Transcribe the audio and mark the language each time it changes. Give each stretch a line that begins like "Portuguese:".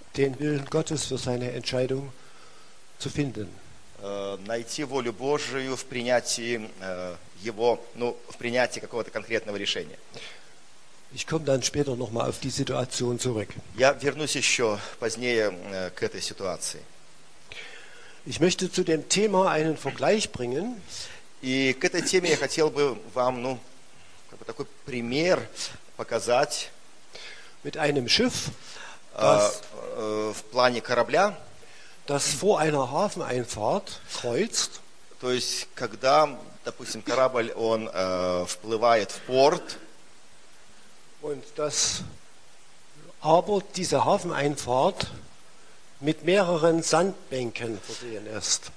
German: den Willen Gottes für seine Entscheidung zu finden.
Russian: Найти волю Божию в принятии его, ну, в принятии какого-то конкретного решения.
German: Ich komme dann später noch mal auf die Situation zurück.
Russian: Я вернусь еще позднее к этой ситуации.
German: Ich möchte zu dem Thema einen Vergleich bringen.
Russian: И к этой теме я хотел бы вам, ну, как бы такой пример показать.
German: Mit einem Schiff,
Russian: в плане корабля,
German: das vor einer Hafeneinfahrt kreuzt.
Russian: То есть, когда, допустим, корабль, он вплывает в порт.
German: Und das, aber diese Hafeneinfahrt mit mehreren Sandbänken versehen ist.